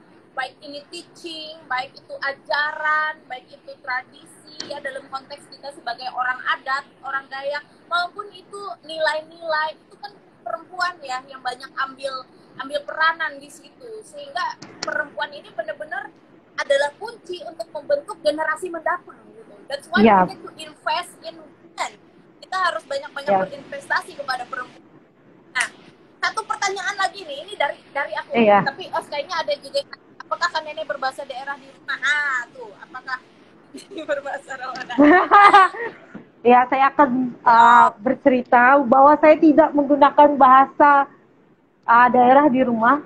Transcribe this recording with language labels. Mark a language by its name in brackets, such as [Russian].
[Indonesian] baik ini teaching, baik itu ajaran, baik itu tradisi ya, dalam konteks kita sebagai orang adat, orang Dayak, maupun itu nilai-nilai, itu kan perempuan ya yang banyak ambil peranan di situ, sehingga perempuan ini benar-benar adalah kunci untuk membentuk generasi mendatang gitu. [English] That's why we need to invest in women. [Indonesian] Kita harus banyak-banyak berinvestasi kepada perempuan. Nah, satu pertanyaan lagi nih, ini dari aku, tapi Os kayaknya ada juga. Apakah kan nenek berbahasa daerah di rumah? Tuh, apakah ini berbahasa Rawanan? Ya, saya akan bercerita bahwa saya tidak menggunakan bahasa daerah di rumah.